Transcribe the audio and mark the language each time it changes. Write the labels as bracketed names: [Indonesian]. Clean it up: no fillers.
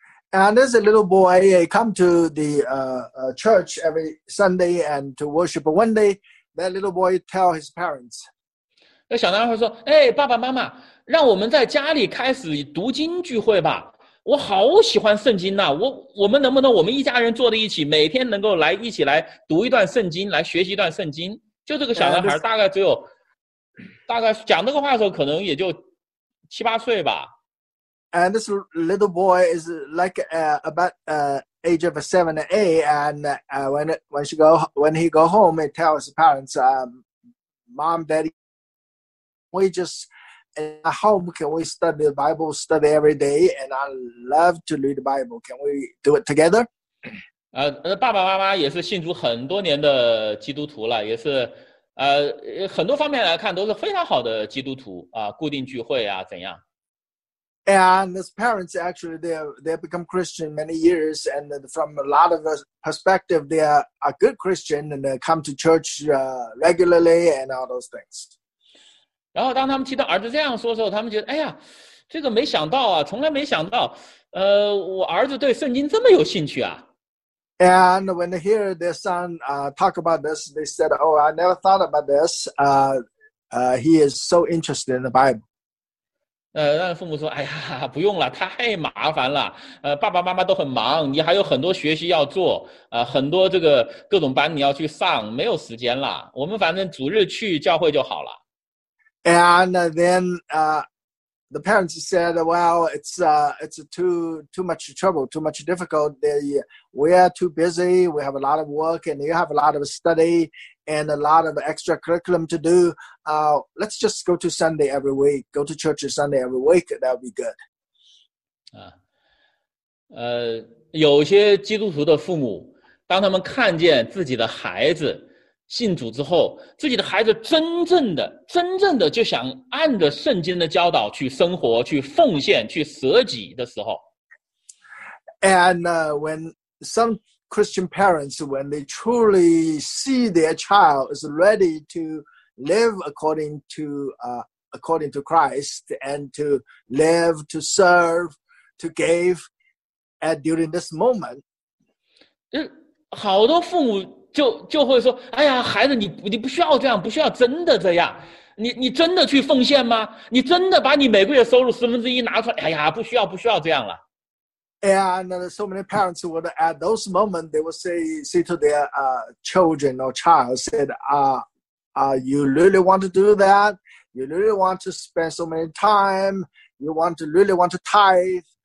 [English] And there's a little boy, he come to the church every Sunday and to worship. But one day, that little boy tell his parents. [Chinese] 那小男孩说，哎，爸爸妈妈。让我们在家里开始读经聚会吧，我好喜欢圣经啊，我们能不能我们一家人坐在一起，每天能够来一起来读一段圣经，来学习一段圣经。就这个小男孩大概只有大概讲这个话的时候可能也就七八岁吧。 [English] And this little boy is like about age of 7 or 8, and when he go home, he tells his parents, mom, daddy, we justAt home, can we study the Bible, study every day? And I love to read the Bible. Can we do it together? [Chinese] 爸爸妈妈也是信主很多年的基督徒了，也是很多方面来看都是非常好的基督徒啊，固定聚会啊，怎样 [English] ？And his parents actually they become Christian many years, and from a lot of perspective, they are a good Christian and they come to church regularly and all those things. [Chinese] 然后当他们提到儿子这样说的时候，他们觉得，哎呀，这个没想到啊，从来没想到，我儿子对圣经这么有兴趣啊。 [English] And when they hear their son talk about this, they said, "Oh, I never thought about this. He is so interested in the Bible." [Chinese] 让父母说，哎呀，不用了，太麻烦了。爸爸妈妈都很忙，你还有很多学习要做，很多这个各种班你要去上，没有时间了。我们反正主日去教会就好了。 [English] And then the parents said, well, it's too much trouble, too much difficult. We are too busy. We have a lot of work and you have a lot of study and a lot of extra curriculum to do. Let's just go to Sunday every week. Go to church Sunday every week. That would be good. [Chinese] 有些基督徒的父母，当他们看见自己的孩子信主之后，自己的孩子真正的就想按着圣经的教导去生活，去奉献，去舍己的时候。 [English] And when some Christian parents, when they truly see their child is ready to live according to Christ and to live, to serve, to give at during this moment. [Chinese] 好多父母就会说，哎呀，孩子，你不需要这样，不需要真的这样，你真的去奉献吗？你真的把你每个月收入十分之一拿出来？哎呀，不需要这样了。 [English] And so many parents would at those moments they would say to their children or child said, you really want to do that? You really want to spend so many time? You want to really want to tithe?